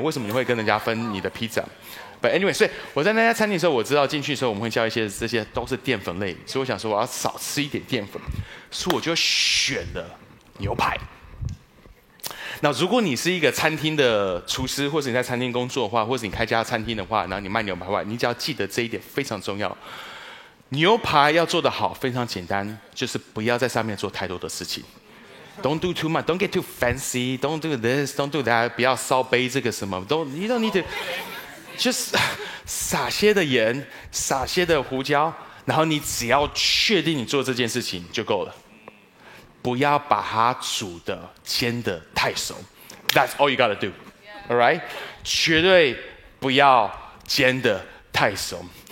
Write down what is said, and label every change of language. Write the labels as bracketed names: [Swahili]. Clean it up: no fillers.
[Chinese] 为什么你会跟人家分你的披萨？ [English] But anyway, [Chinese] 所以我在那家餐厅的时候，我知道进去的时候我们会叫一些这些都是淀粉类，所以我想说我要少吃一点淀粉，所以我就选了牛排。那如果你是一个餐厅的厨师，或是你在餐厅工作的话，或是你开家餐厅的话，然后你卖牛排的话，你只要记得这一点非常重要。牛排要做得好非常简单，就是不要在上面做太多的事情。 [English] Don't do too much, don't get too fancy, don't do this, don't do that, [Chinese] 不要烧杯这个什么 [English] don't, you don't need to... [Chinese] 就是撒些的盐，撒些的胡椒，然后你只要确定你做这件事情就够了，不要把它煮的煎的太熟。 [English] That's all you gotta do, all right? [Chinese] 绝对不要煎的太熟。